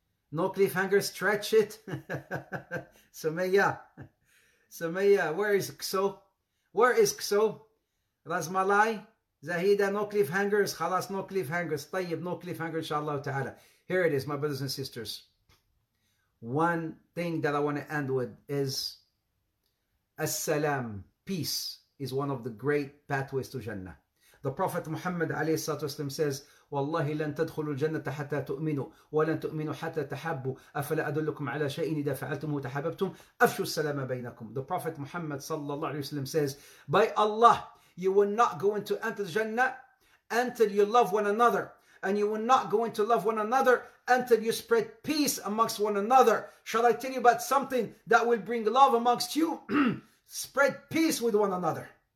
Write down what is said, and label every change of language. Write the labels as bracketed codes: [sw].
[en] No cliffhanger, stretch it. Sumayya, where is Kso? Where is Kso? Razmalai? Zahida, no cliffhangers. Khalas, no cliffhangers. Tayyib, no cliffhanger, inshallah ta'ala. Here it is, my brothers and sisters. One thing that I want to end with is As-salam, peace, is one of the great pathways to Jannah. The Prophet Muhammad alayhi salatu wasalam says, [ar] والله لن تدخلوا الجنة حتى تؤمنوا ولن تؤمنوا حتى تحبوا أفلا أدلكم على شيء إذا فعلتموه تحببتم أفشوا السلام بينكم. [en] The Prophet Muhammad sallallahu alayhi wa sallam says, by Allah, you will not go into enter Jannah until you love one another, and you will not go into love one another until you spread peace amongst one another. Shall I tell you about something that will bring love amongst you? Spread peace with one another.